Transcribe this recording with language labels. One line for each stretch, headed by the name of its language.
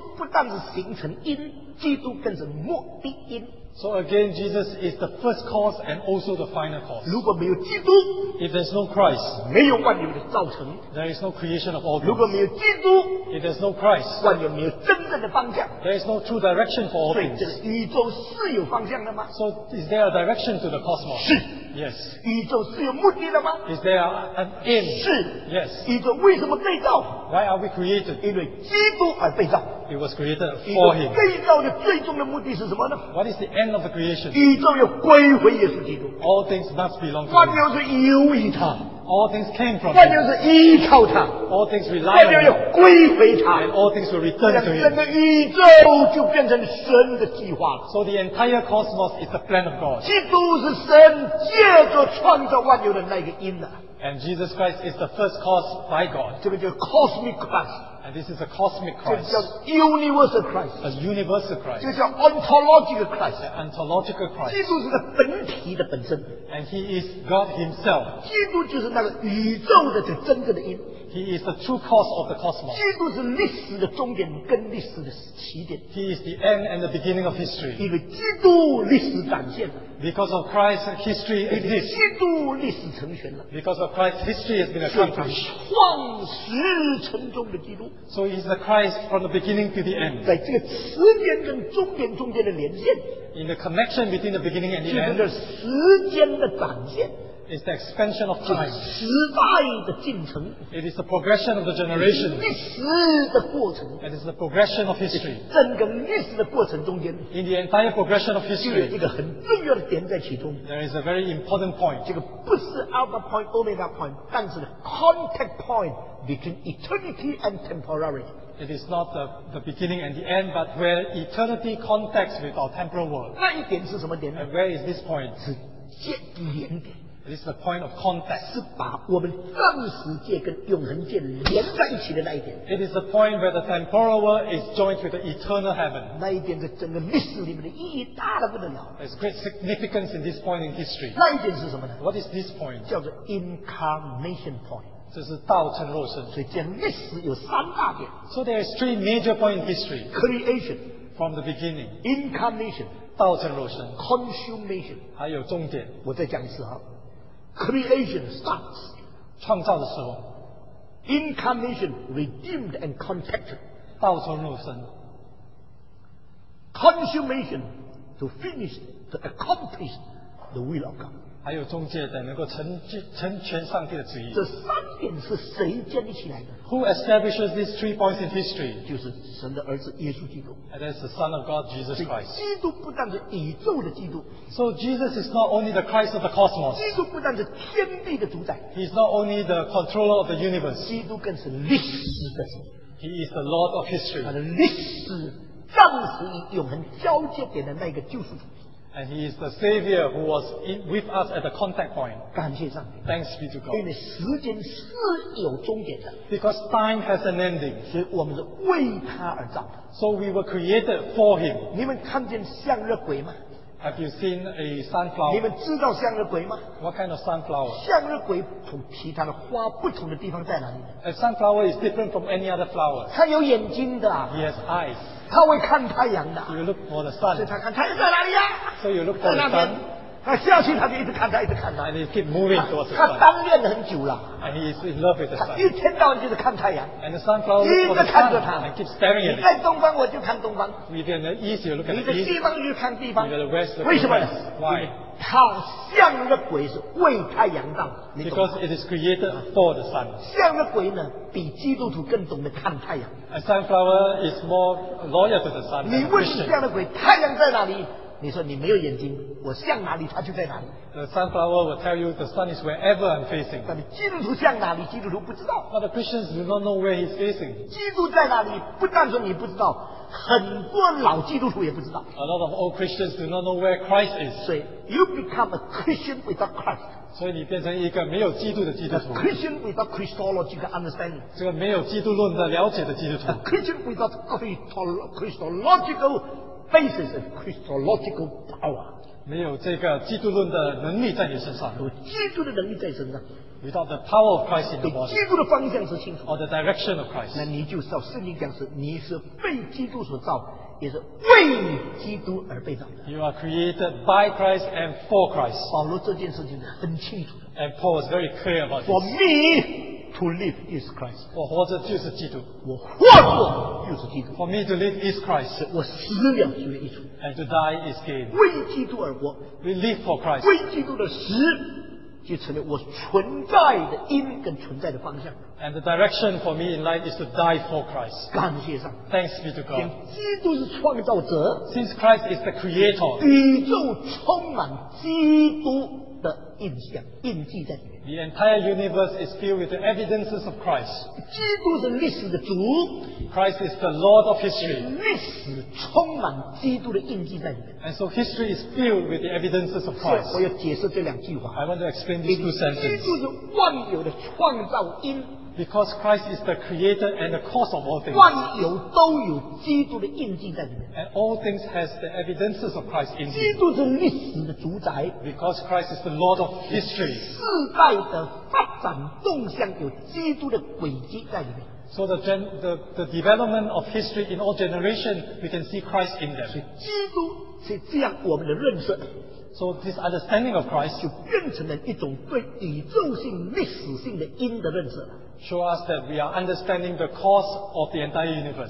Chinese: 基督不但是形成因, 基督更是目的因。
English: So again, Jesus is the first cause and also the final cause.
Chinese: 如果没有基督,
English: if there's no Christ,
Chinese: 没有万有的造成,
English: there is no creation of all things.
Chinese: 如果没有基督,
English: if there's no Christ,
Chinese: 万有没有真正的方向,
English: there is no true direction for all things.
Chinese: 宇宙是有方向的吗?
English: So is there a direction to the cosmos?
Chinese: 是,
English: yes.
Chinese: 宇宙是有目的的吗?
English: Is there an aim?
Chinese: 是,
English: yes.
Chinese: 宇宙为什么被造?
English: Why are we created?
Chinese: 因为基督而被造。
English: It was created for him.
Chinese: 被造的最终的目的是什么呢?
English: What is the end of the creation?
Chinese: 宇宙要归回耶稣基督。
English: All things must belong to him.
Chinese: 万有是由于他。
English: All things came from
Chinese: him. 万有是依靠他。
English: All things rely on him.
Chinese: 万有要归回他。
English: And all things will return to him.
Chinese: 整个宇宙就变成神的计划了。
English: So the entire cosmos is the plan of God.
Chinese: 基督是神借着创造万有的那个因的。
English: And Jesus Christ is the first cause by God.
Chinese: 这个叫 cosmic Christ.
English: And this is a cosmic Christ.
Chinese: 这叫 universal Christ.
English: A universal Christ.
Chinese: 这叫 ontological Christ.
English: An ontological Christ.
Chinese: 基督是个本体的本身.
English: And he is God himself.
Chinese: 基督就是那个宇宙的真正的因.
English: He is the true cause of the cosmos.
Chinese: 基督是历史的终点跟历史的起点.
English: He is the end and the beginning of history.
Chinese: 因为基督历史展现了.
English: Because of Christ, history exists.
Chinese: 基督历史成全了.
English: Because of Christ, history has been accomplished.
Chinese: 创始成终的基督.
English: So he is the Christ from the beginning to the end.
Chinese: 在这个时间跟终点中间的连线.
English: In the connection between the beginning and the end.
Chinese: 这个时间的展现.
English: It's the expansion of time.
Chinese: 时代的进程.
English: It is the progression of the generation.
Chinese: 历史的过程.
English: It is the progression of history.
Chinese: 整个历史的过程中间.
English: In the entire progression of history.
Chinese: 有一个很重要的点在其中.
English: There is a very important point.
Chinese: 这个不是
English: Alpha point, Omega point,
Chinese: 但是
English: contact point between eternity and temporality. It is not the beginning and the end, but where eternity contacts with our temporal world.
Chinese: 那一点是什么点呢?
English: And where is this point?
Chinese: 界的连点。
English: It is the point of contact.
Chinese: 是把我们暂时界跟永恒界连在一起的那一点。
English: It is the point where the temporal world is joined with the eternal heaven.
Chinese: 那一点在整个历史里面的意义大得不得了。
English: There's great significance in this point in history.
Chinese: 那一点是什么呢？
English: What is this point?
Chinese: 叫做 incarnation point. 这是道成肉身。所以讲历史有三大点。
English: So there is three major points in history. Creation. From the beginning. Incarnation.
Chinese: 道成肉身。
English: Consummation.
Chinese: 还有重点。我再讲一次哈。
English: Creation starts.
Chinese: 创造的时候。
English: Incarnation redeemed and contacted.
Chinese: 道成肉身。
English: Consummation to finish, to accomplish the will of God.
Chinese: 还有中介等能够 成全上帝的旨意。这三点是谁建立起来的？
English: Who establishes these three points in history?
Chinese: 就是神的儿子耶稣基督。
English: And that's the Son of God, Jesus Christ.
Chinese: 基督不但是宇宙的基督。
English: So Jesus is not only the Christ of the cosmos.
Chinese: 基督不但是天地的主宰。
English: He's not only the controller of the universe.
Chinese: 基督更是历史的主。
English: He is the Lord of history.
Chinese: 他的历史暂时与永恒交接点的那个救赎主。
English: And he is the Savior who was with us at the contact point.
Chinese: 感谢上帝。
English: Thanks be to God.
Chinese: 因为时间是有终点的。
English: Because time has an ending.
Chinese: 所以我们是为他而造的。
English: So we were created for him.
Chinese: 你们看见向日葵吗？
English: Have you seen a sunflower?
Chinese: 你们知道向日葵吗？
English: What kind of sunflower?
Chinese: 向日葵同其他的花不同的地方在哪里？
English: A sunflower is different from any other flower.
Chinese: 它有眼睛的。
English: He has eyes.
Chinese: 他会看太阳的。
English: You look for the sun.
Chinese: 所以他看太阳在哪里呀、
English: 啊？ So you look for the sun.
Chinese: 他下去他就一直看他，一直看他。
English: And he keep moving towards the sun.
Chinese: 他单恋很久了。
English: And he is in love with the sun.
Chinese: 他一天到晚就是看太阳。
English: And the sunflower looks for the sun.
Chinese: 一直看着他。
English: And keep staring at it.
Chinese: 你在东方，我就看东方。
English: You look at the east, you look at the east.
Chinese: 你在西方，就看西方。
English: You look at the west, you look at the
Chinese: 为什么？
English: Why?
Chinese: 他向日葵是为太阳造的。
English: Because it is created for the sun.
Chinese: 向日葵呢，比基督徒更懂得看太阳。
English: A sunflower is more loyal to the sun.
Chinese: 你问向日葵太阳在哪里？你说你没有眼睛，我向哪里，它就在哪里。
English: The sunflower will tell you the sun is wherever I'm facing.
Chinese: 但基督徒向哪里，基督徒不知道。
English: But the Christians do not know where he's facing.
Chinese: 基督在哪里，不但说你不知道，很多老基督徒也不知道。
English: A lot of old Christians do not know where Christ is. 所以 you become a Christian without Christ.
Chinese: 所以你变成一个没有基督的基督徒。
English: A Christian without Christological understanding.
Chinese: 这个没有基督论的了解的基督徒。
English: A Christian without Christological basis of Christological power.
Chinese: 没有这个基督论的能力在你身上。有基督的能力在身上。
English: Without the power of Christ in the body.
Chinese: 基督的方向是清楚。
English: Or the direction of Christ.
Chinese: 那你就知道圣经讲是你是被基督所造，也是为基督而被造的。
English: You are created by Christ and for Christ.
Chinese: 保罗这件事情很清楚。
English: And Paul is very clear about this. For me to live is Christ.
Chinese: 我活着就是基督。我活着就是基督。
English: For me to live is Christ.
Chinese: 我死了就是基督。
English: And to die is gain.
Chinese: 为基督而活。
English: We live for Christ.
Chinese: 为基督的死。就成了我存在的因跟存在的方向。
English: And the direction for me in life is to die for Christ.
Chinese: 感谢上。
English: Thanks be to God.
Chinese: 基督是创造者。
English: Since Christ is the creator.
Chinese: 宇宙充满基督的印象、印记在里面。
English: The entire universe is filled with the evidences of Christ.
Chinese: 基督是历史的主。
English: Christ is the Lord of history.
Chinese: 历史充满基督的印记在里面。
English: And so history is filled with the evidences of Christ.
Chinese: 我要解释这两句话。
English: I want to explain these two sentences.
Chinese: 基督是万有的创造因。
English: Because Christ is the creator and the cause of all things.
Chinese: 万有都有基督的印记在里面。
English: And all things has the evidences of Christ in
Chinese: them. 基督是历史的主宰。
English: Because Christ is the Lord of history.
Chinese: 世代的发展动向有基督的轨迹在里面。
English: So the development of history in all generations, we can see Christ in them.
Chinese: 所以基督是这样我们的认识。
English: So this understanding of Christ
Chinese: 就变成了一种对宇宙性历史性的因的认识。
English: Show us that we are understanding the cause of the entire universe.